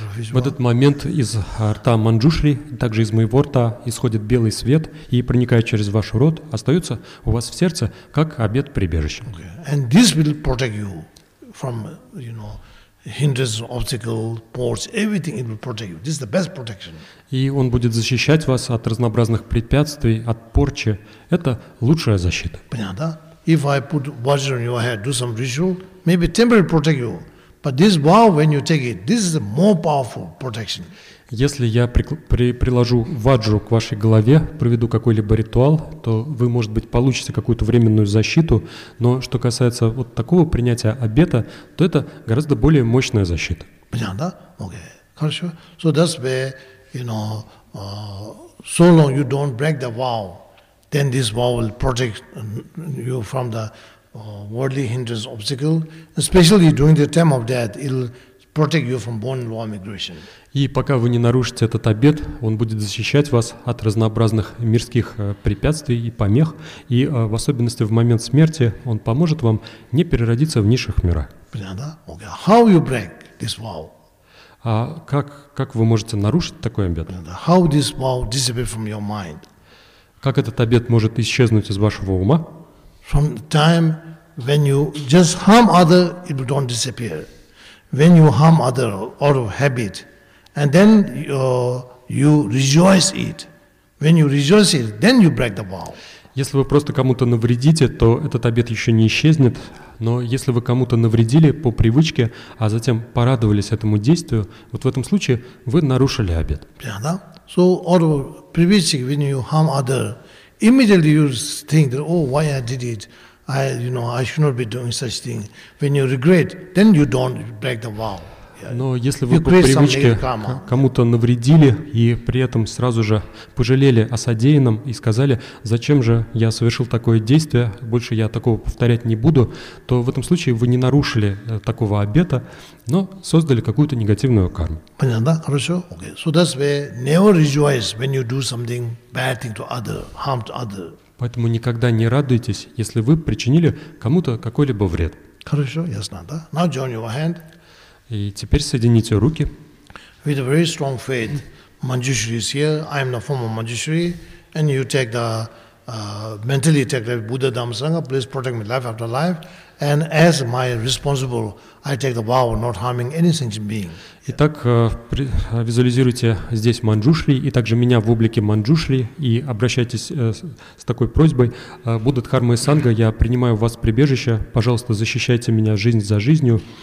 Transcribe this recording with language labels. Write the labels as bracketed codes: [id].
[ru] В этот момент из рта Манджушри, также из моего рта, исходит белый свет и, проникая через ваш рот, остается у вас в сердце как обет прибежища. [en] Okay. And this will protect you from, you know, hindrances, obstacles, ports, everything it will protect you. This is the best protection. [ru] И он будет защищать вас от разнообразных препятствий, от порчи. Это лучшая защита. Понятно, да? [en] If I put water on your head, do some ritual, maybe temporarily protect you. But this vow, when you take it, this is a more powerful protection. [ru] Если я приложу ваджру к вашей голове, проведу какой-либо ритуал, то вы, может быть, получите какую-то временную защиту. Но что касается вот такого принятия обета, то это гораздо более мощная защита. Понятно, да? Okay. Хорошо. [en] So that's where, you know, so long you don't break the vow, then this vow will protect you from the worldly hindrance obstacle, especially during the time of death, it'll protect you from born lower migration. [ru] И пока вы не нарушите этот обет, он будет защищать вас от разнообразных мирских препятствий и помех, и в особенности в момент смерти он поможет вам не переродиться в низших мирах. Понятно? [en] Okay. How you break this vow? [ru] А как вы можете нарушить такой обет? [en] How this vow disappears from your mind? [ru] Как этот обет может исчезнуть из вашего ума? [en] From the time when you just harm other, it will don't disappear. When you harm other out of habit, and then you rejoice it. When you rejoice it, then you break the vow. [ru] Если вы просто кому-то навредите, то этот обет еще не исчезнет. Но если вы кому-то навредили по привычке, а затем порадовались этому действию, вот в этом случае вы нарушили обет. [en] Yeah, [ru] да? [en] So out of privilege, when you harm other, immediately you think that, oh, why I did it? I should not be doing such thing. When you regret, then you don't break the vow. [ru] Но если вы по привычке кому-то навредили и при этом сразу же пожалели о содеянном и сказали, зачем же я совершил такое действие, больше я такого повторять не буду, то в этом случае вы не нарушили такого обета, но создали какую-то негативную карму. Понятно? Хорошо? Okay. [en] So that's why never rejoice when you do something bad thing to other, harm to other. [ru] Поэтому никогда не радуйтесь, если вы причинили кому-то какой-либо вред. Хорошо, ясно, да? [en] Now join your hand. [ru] И теперь соедините руки. [en] With a very strong faith, Manjushri is here. I am the former Manjushri, and you take the mentally take the Buddha Dhamma Sangha. Please protect me life after life. And as my responsible, I take the vow of not harming any sentient being. [ru] Итак, визуализируйте здесь Манджушри и также меня в облике Манджушри и обращайтесь с такой просьбой. Будда Дхарма и Санга, я принимаю вас в прибежище. Пожалуйста, защищайте меня жизнь за жизнью.